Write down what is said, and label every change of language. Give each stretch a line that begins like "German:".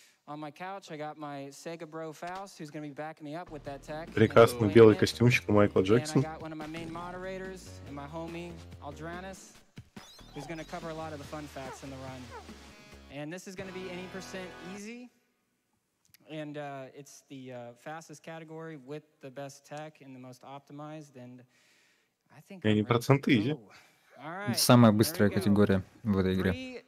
English: On my couch, I got my Sega bro Faust, who's gonna be backing me up with that tech.
Russian: Прекрасный белый костюмчик у Майкла Джексона.
English: And I got one of my main moderators and my homie Aldranis, who's gonna cover a lot of the fun facts in the run. And this is gonna be any percent easy. And it's the fastest category with the best tech and the most optimized. And I think. Any percent easy.
Russian: Right, самая быстрая категория в этой игре.